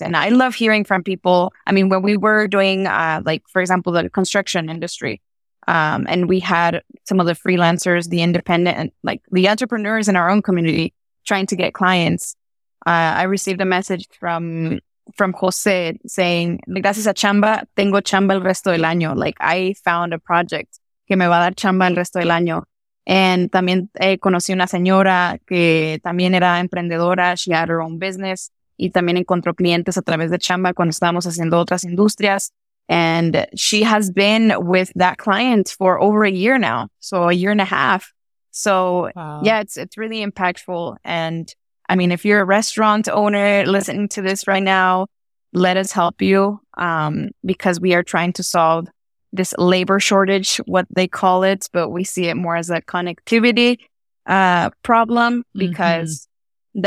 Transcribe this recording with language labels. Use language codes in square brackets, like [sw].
[en] And I love hearing from people. I mean, when we were doing, like, for example, the construction industry, and we had some of the freelancers, the independent, like the entrepreneurs in our own community trying to get clients, I received a message from Jose saying, [es] gracias a Chamba, tengo Chamba el resto del año. [en] Like, I found a project [es] que me va a dar Chamba el resto del año. And también conocí una señora que también era emprendedora. [en] She had her own business. [es] Y también encontró clientes a través de Chamba cuando estábamos haciendo otras industrias. [en] And she has been with that client for over a year now. So a year and a half. So wow. Yeah, it's really impactful. And I mean, if you're a restaurant owner listening to this right now, let us help you, because we are trying to solve this labor shortage, what they call it, but we see it more as a connectivity problem, because mm-hmm.